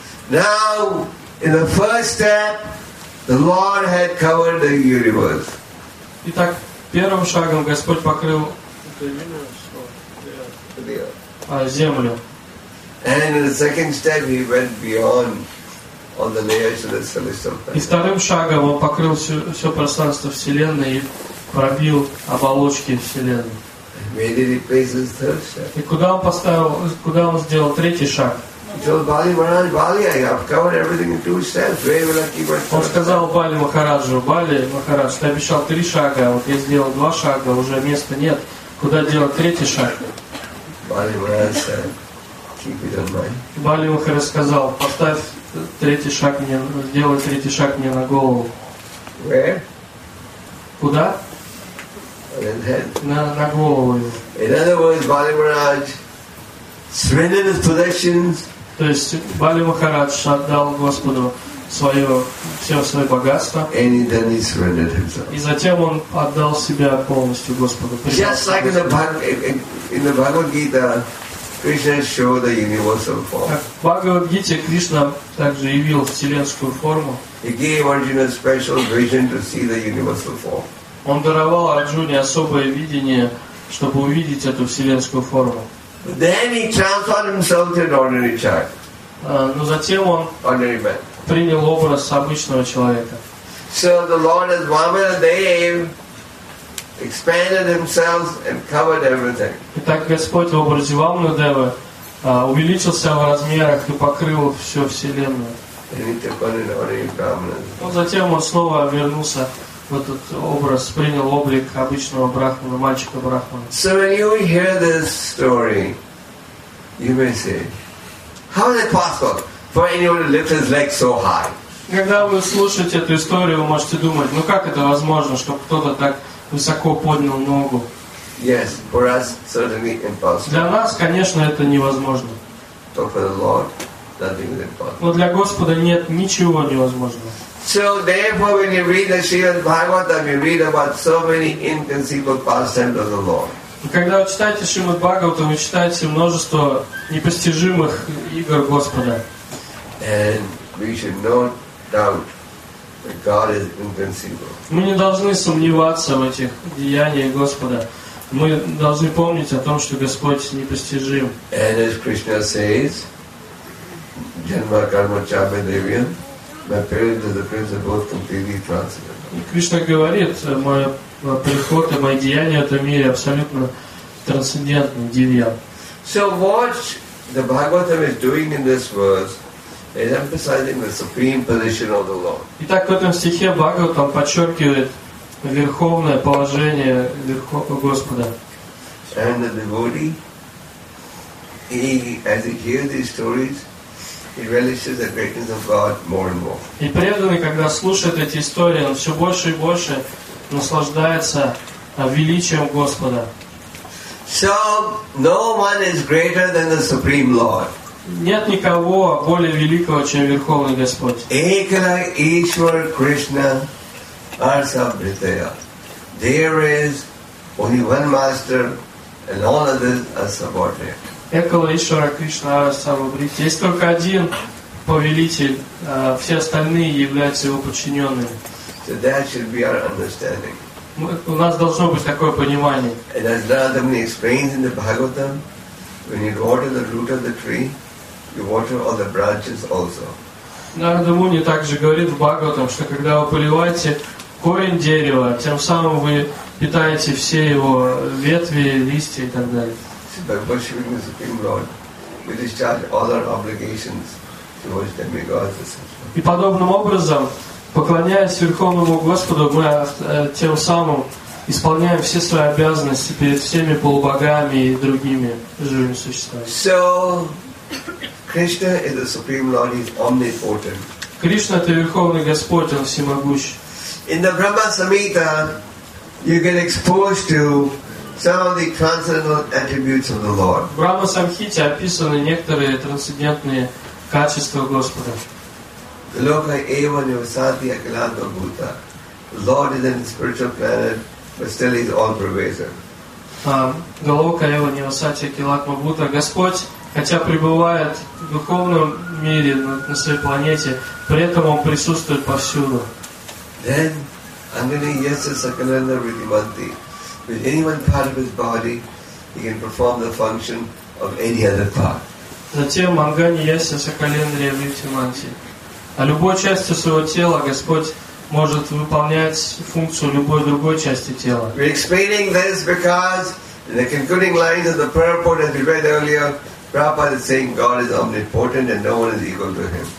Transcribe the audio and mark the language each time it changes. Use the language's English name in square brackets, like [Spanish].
[English] Now, in the first step, the Lord had covered the universe. [Russian] Итак, первым шагом Господь покрыл землю. [English] And in the second step, he went beyond all the layers of the celestial planet. [Russian] И вторым шагом он покрыл все пространство Вселенной и пробил оболочки Вселенной. [English] And where did he place his third step? [Russian] И куда он сделал третий шаг? [English] He told Bali Maharaj, Bali, I have covered everything in two steps. Where will I keep my third? [Russian] Он сказал Бали Махараджу, Бали Махарадж, ты обещал три шага, вот я сделал два шага, уже места нет. Куда делать третий шаг? [English] Бали Махарадж said, keep it in mind. [Russian] Бали Махарадж сказал, поставь третий шаг мне, сделай третий шаг мне на голову. [English] Where? [Russian] Куда? На голову. [English] In other words, Бали Махарадж surrendered his possessions. [Russian] То есть Бали Махарадж отдал Господу все свое богатство. [English] And then he surrendered himself. [Russian] И затем он отдал себя полностью Господу. [English] Just like in the Bhagavad Gita, Krishna showed the universal form. [Russian] Как в Бхагавад Гите Кришна также явил вселенскую форму. [English] He gave Arjuna special vision to see the universal form. [Russian] Он даровал Арджуне особое видение, чтобы увидеть эту вселенскую форму. [English] Then he transformed himself to an ordinary child. [Russian] Но затем он [English] ordinary man. [Russian] Принял образ обычного человека. [English] So the Lord as Vamanadev expanded himself and covered everything. [Russian] Итак, Господь в образе Вамнадевы увеличился в размерах и покрыл всю вселенную. [English] And he took on an ordinary brahmana. [Russian] Но затем он снова вернулся. Этот образ принял облик обычного брахмана, мальчика брахмана. [English] So when you hear this story, you may say, how is it possible for anyone to lift his leg so high? [Russian] Когда вы слушаете эту историю, вы можете думать, ну как это возможно, чтобы кто-то так высоко поднял ногу? [English] Yes, for us certainly impossible. [Russian] Для нас, конечно, это невозможно. [English] But for the Lord, nothing is impossible. [Russian] Но для Господа нет ничего невозможного. [English] So therefore, when you read the Srimad Bhagavatam, you read about so many inconceivable pastimes of the Lord. [Russian] Когда вы читаете Шримад Бхагаватам, вы читаете множество непостижимых игр Господа. [English] And we should not doubt that God is inconceivable. [Russian] Мы не должны сомневаться в этих деяниях Господа. Мы должны помнить о том, что Господь непостижим. [English] And as Krishna says, [Sanskrit] Janma Karma Chabe Devian. [English] My parents and the prince are both completely transcendental. [Russian] Кришна говорит, мой приход и мои деяния в этом мире абсолютно трансцендентны, дивья. [English] So what the Bhagavatam is doing in this verse is emphasizing the supreme position of the Lord. [Russian] Итак, в этом стихе Бхагаватам подчеркивает верховное положение Господа. [English] And the devotee, as he hears these stories, he relishes the greatness of God more and more. [Russian] И преданный, когда слушает эти истории, он все больше и больше наслаждается величием Господа. [English] So no one is greater than the Supreme Lord. [Russian] Нет никого более великого, чем Верховный Господь. [Bangla] Ekala Ishwar Krishna Arsa Vritaya. [English] There is only one master and all others are subordinate. [Bangla] Экала Ишвара Кришна Саврабрити. [Russian] Есть только один повелитель, все остальные являются его подчиненными. [English] So that should be our understanding. [Russian] У нас должно быть такое понимание. [English] And as Narada Muni explains in the Bhagavatam, when you water the root of the tree, you water all the branches also. [Russian] Нарада Муни также говорит в Бхагаватам, что когда вы поливаете корень дерева, тем самым вы питаете все его ветви, листья и так далее. [English] by worshipping the Supreme Lord, we discharge all our obligations towards demigods. [Russian] И подобным образом, поклоняясь Верховному Господу, мы тем самым исполняем все свои обязанности перед всеми полубогами и другими живыми существами. [English] So, Krishna is the Supreme Lord, he is omnipotent. [Russian] Кришна — это Верховный Господь, Он всемогущ. [English] In the Brahma Samhita, you get exposed to some of the transcendental attributes of the Lord. [Russian] В Брахма Самхите описаны некоторые трансцендентные качества Господа. [Sanskrit] Loka eva nivasati akilanta bhuta. [English] Lord is in the spiritual planet, but still he is all pervasive. [Sanskrit] Loka eva nivasati akilanta bhuta. [Russian] Господь, хотя пребывает в духовном мире на своей планете, при этом он присутствует повсюду. [English] Then, [Sanskrit] angani yasya sakalanta vridhimanti. [English] With any one part of his body, he can perform the function of any other part. [Russian] Затем [Sanskrit] ангани ясе сакалендрия вритиманти. [Russian] А любой частью своего тела Господь может выполнять функцию любой другой части тела. [English] We're explaining this because in the concluding lines of the purport, as we read earlier, Prabhupada is saying God is omnipotent and no one is equal to Him.